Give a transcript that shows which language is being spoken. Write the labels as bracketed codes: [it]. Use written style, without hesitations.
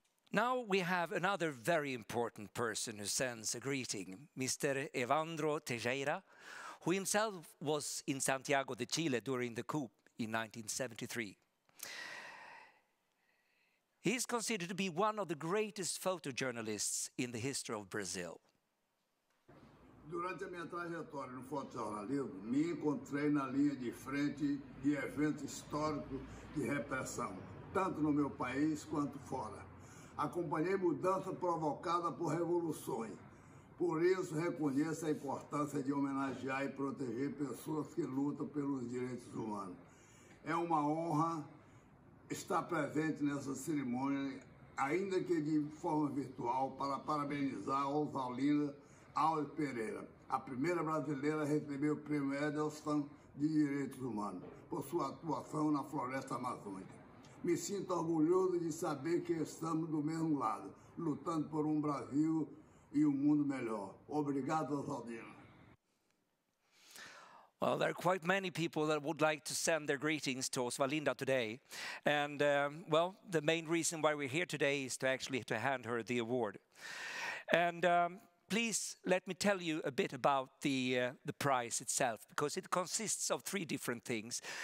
[en] Now we have another very important person who sends a greeting, Mr. Evandro Teixeira, who himself was in Santiago de Chile during the coup in 1973. He is considered to be one of the greatest photojournalists in the history of Brazil. [pt] Durante a minha trajetória no fotojornalismo, me encontrei na linha de frente de eventos históricos de repressão, tanto no meu país quanto fora. Acompanhei mudanças provocadas por revoluções. Por isso, reconheço a importância de homenagear e proteger pessoas que lutam pelos direitos humanos. É uma honra estar presente nessa cerimônia, ainda que de forma virtual, para parabenizar a Osvalinda Alves Pereira, a primeira brasileira a receber o prêmio Edelstam de Direitos Humanos por sua atuação na floresta amazônica. Me sinto orgulhoso de saber que estamos do mesmo lado, lutando por um Brasil e um mundo melhor. Obrigado, Osvaldino. [en] Well, there are quite many people that would like to send their greetings to Osvalinda today. And, well, the main reason why we're here today is to hand her the award. And, please let me tell you a bit about the prize itself, because it consists of three different things.